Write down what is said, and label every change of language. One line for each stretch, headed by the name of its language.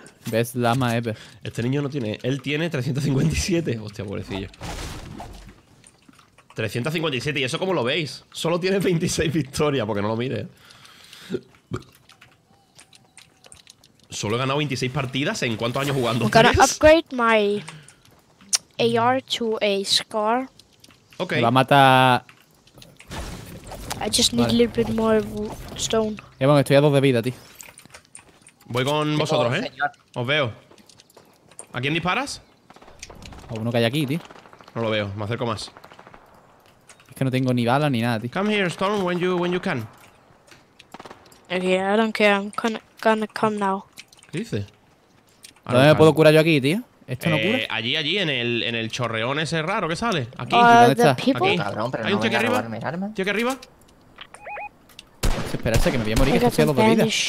English: Best llama ever.
Spanish: Este niño no tiene. Él tiene 357. Hostia, pobrecillo. 357, ¿y eso cómo lo veis? Solo tiene 26 victorias, porque no lo mide. Solo he ganado 26 partidas en cuántos años jugando.
English: I'm gonna upgrade my AR to a SCAR. Okay.
Spanish: Me va a matar.
English: I just need a little bit more stone.
Spanish: Ya, bueno, estoy a 2 de vida, tío. Voy con vosotros, señor. Os veo. ¿A quién disparas? A uno que hay aquí, tío. No lo veo, me acerco más. Es que no tengo ni bala ni nada, tío.
English: Come here, Storm, when you can. Okay, I don't care, I'm gonna come now.
Spanish: ¿Qué dice? ¿Dónde me puedo curar yo aquí, tío? ¿Esto no cura? Allí, en el chorreón ese raro que sale. Aquí. ¿Dónde está? Aquí. Cabrón, pero ¿hay un tío aquí arriba? ¿Tío aquí arriba? Espérate, que me voy a morir, que estoy a 2 de vida.